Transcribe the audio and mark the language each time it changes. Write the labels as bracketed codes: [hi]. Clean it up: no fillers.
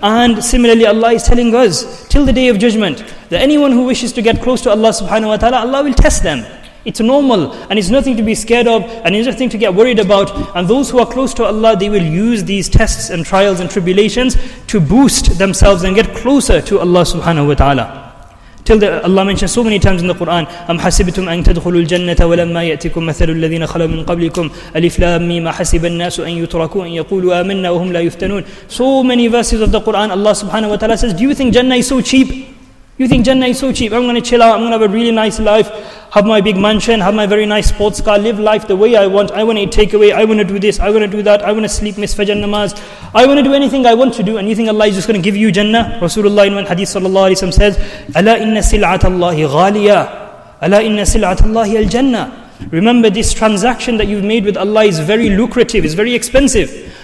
[en] And similarly, Allah is telling us, till the day of judgment, that anyone who wishes to get close to Allah subhanahu wa ta'ala, Allah will test them. It's normal, and it's nothing to be scared of, and it's nothing to get worried about. And those who are close to Allah, they will use these tests and trials and tribulations to boost themselves and get closer to Allah subhanahu wa ta'ala. Till Allah mentions so many times in the Quran, [ar] أَمْ حَسِبْتُمْ أَن تَدْخُلُوا الْجَنَّةَ وَلَمَّا يَأْتِكُمْ مَثَلُ الَّذِينَ خَلَوْا مِنْ قَبْلِكُمْ أَلِفْ لَا مِمَا حَسِبَ النَّاسُ أَن يُتْرَكُوا أَن يَقُولُوا آمَنَّا وَهُمْ لَا يُفْتَنُونَ. [en] So many verses of the Quran, Allah subhanahu wa ta'ala says, do you think Jannah is so cheap? You think Jannah is so cheap? I'm going to chill out, I'm going to have a really nice life, have my big mansion, have my very nice sports car, live life the way I want. I want to eat takeaway, I want to do this, I want to do that, I want to sleep, miss Fajr namaz, I want to do anything I want to do. And you think Allah is just going to give you Jannah? Rasulullah in one hadith sallallahu alayhi wa sallam says, [ar] أَلَا إِنَّ سِلْعَةَ اللَّهِ غَالِيَا أَلَا إِنَّ سِلْعَةَ اللَّهِ الْجَنَّةِ. [en] Remember, this transaction that you've made with Allah is very lucrative, is very expensive.